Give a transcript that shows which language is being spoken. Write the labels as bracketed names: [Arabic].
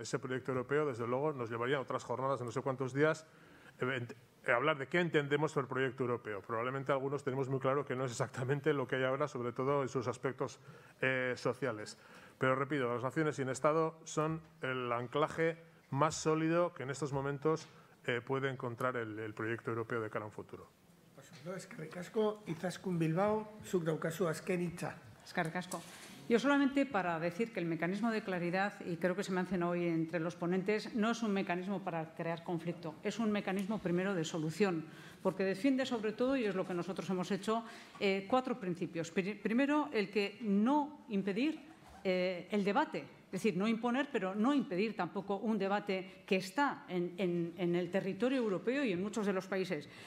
[Spanish] Ese proyecto europeo, desde luego, nos llevaría a otras jornadas de no sé cuántos días hablar de qué entendemos por el proyecto europeo. Probablemente algunos tenemos muy claro que no es exactamente lo que hay ahora, sobre todo en sus aspectos sociales. Pero repito, las naciones sin Estado son el anclaje más sólido que en estos momentos puede encontrar el proyecto europeo de cara a un futuro. Pues no, [Basque] eskerrik asko, Izaskun Bilbao, zuk daukazu azken hitza. Eskerrik asko. [Spanish] Yo solamente para decir que el mecanismo de claridad, y creo que se menciona hoy entre los ponentes, no es un mecanismo para crear conflicto, es un mecanismo primero de solución, porque defiende sobre todo, y es lo que nosotros hemos hecho, cuatro principios. Primero, el que no impedir el debate, es decir, no imponer, pero no impedir tampoco un debate que está en el territorio europeo y en muchos de los países.